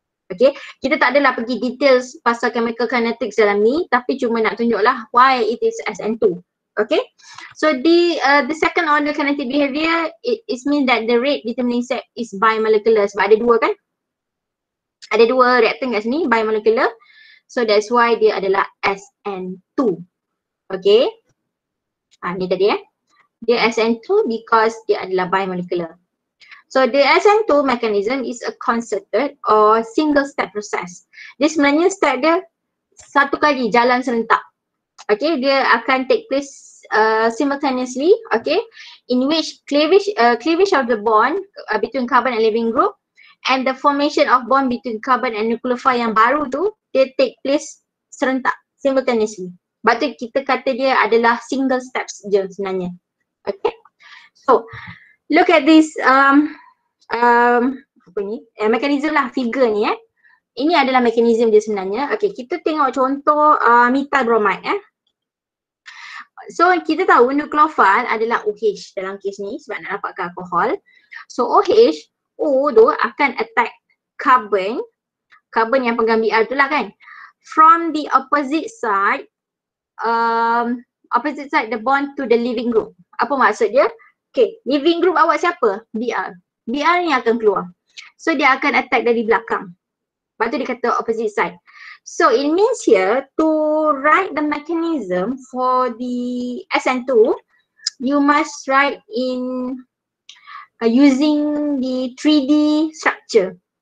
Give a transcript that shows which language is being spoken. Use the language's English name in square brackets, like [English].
[Malay] Okay, kita tak adalah pergi details pasal chemical kinetics dalam ni, tapi cuma nak tunjuklah [English] why it is SN2. Okay, so the second order kinetic behavior, it means that the rate determining set is bimolecular. [Malay] Sebab ada dua kan? Ada dua reactant kat sini, bimolecular. [English] So that's why [Malay] dia adalah SN2. Okay, ni tadi eh. Dia SN2 [English] because [Malay] dia adalah bimolecular. [English] So the SN2 mechanism is a concerted or single step process. [Malay] Dia sebenarnya step dia satu kali, jalan serentak. [English] Okay, [Malay] dia akan [English] take place simultaneously. Okay, in which cleavage of the bond between carbon and leaving group and the formation of bond between carbon and nucleophile [Malay] yang baru tu, dia [English] take place [Malay] serentak, [English] simultaneously. [Malay] Sebab tu kita kata dia adalah single steps je sebenarnya. [English] Okay, so look at this [Malay] apa ni? Mechanism lah, figure ni eh. Ini adalah mechanism dia sebenarnya. Okay, kita tengok contoh methyl bromide eh. So kita tahu nucleophile adalah OH dalam kes ni sebab nak dapatkan alkohol. So OH, O tu akan attack carbon. Carbon yang pegang Br tu lah kan. [English] From the opposite side, opposite side the bond to the leaving group. [Malay] Apa maksud dia? Okay, leaving group awak siapa? Br. Br ni akan keluar. So dia akan attack dari belakang. Lepas tu dia kata opposite side. [English] So it means here to write the mechanism for the SN2, you must write in using the 3D structure.